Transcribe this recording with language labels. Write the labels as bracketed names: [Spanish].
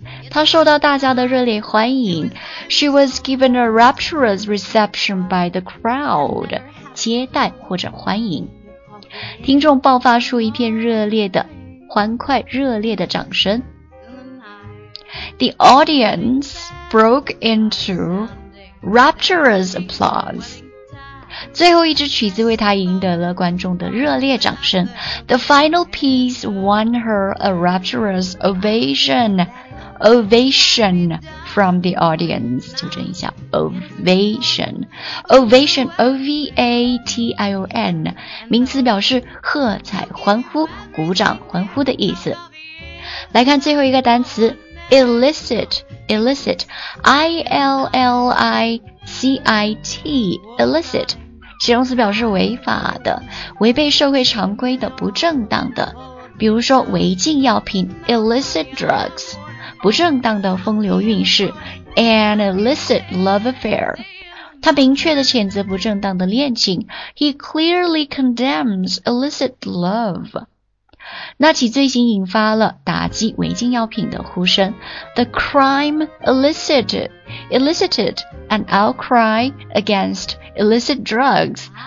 [Chinese] 他受到大家的热烈欢迎。 [English] She was given a rapturous reception by the crowd, [Chinese] 接待或者欢迎。听众爆发出一片热烈的、欢快热烈的掌声。 [English] The audience broke intoRapturous applause. [Chinese] 最后一支曲子为她赢得了观众的热烈掌声。 [English] The final piece won her a rapturous ovation. Ovation from the audience. [Chinese] 纠正一下 [English] ,ovation. Ovation, O-V-A-T-I-O-N. [Chinese] 名词表示喝彩、欢呼、鼓掌、欢呼的意思。来看最后一个单词。Illicit, I-L-L-I-C-I-T, illicit, 形容词表示违法的、违背社会常规的、不正当的。比如说违禁药品 ,illicit drugs, 不正当的风流韵事 , [English] an illicit love affair. [Chinese] 他明确地谴责不正当的恋情 , [English] he clearly condemns illicit love. [Chinese] 那起罪行引发了打击违禁药品的呼声。 [English] The crime elicited an outcry against illicit drugs.